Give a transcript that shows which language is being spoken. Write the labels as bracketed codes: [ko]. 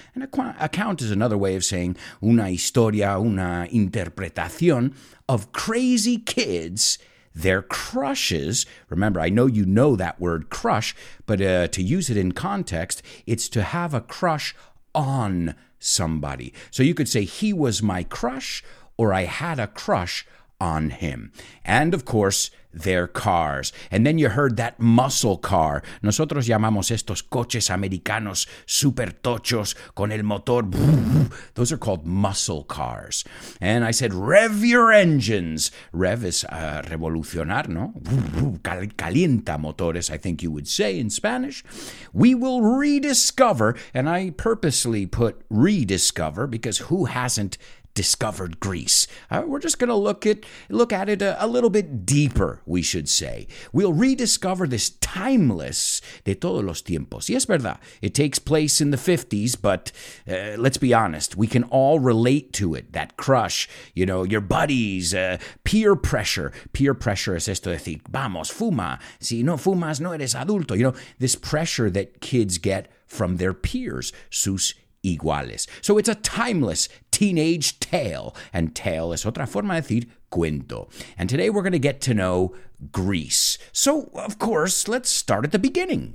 [en] And account is another way of saying [es] una historia, una interpretación [en] of crazy kids, their crushes. Remember, I know you know that word crush, but to use it in context, it's to have a crush on somebody. So you could say he was my crush, or I had a crush on him. And of course, their cars. And then you heard that muscle car. [es] Nosotros llamamos estos coches americanos super tochos con el motor. [en] Those are called muscle cars. And I said, rev your engines. Rev is [es] revolucionar, no? Calienta motores, [en] I think you would say in Spanish. We will rediscover, and I purposely put rediscover because who hasn't discovered Grease? We're just going to look at it a little bit deeper, we should say. We'll rediscover this timeless [es] de todos los tiempos. Y es verdad, [en] it takes place in the 50s, but let's be honest, we can all relate to it. That crush, you know, your buddies, peer pressure. [es] Peer pressure es esto de decir, vamos, fuma. Si no fumas, no eres adulto. [en] You know, this pressure that kids get from their peers, [es] sus iguales. [en] So it's a timeless teenage tale. And tale [es] es otra forma de decir cuento. [en] And today we're going to get to know Grease. So, of course, let's start at the beginning.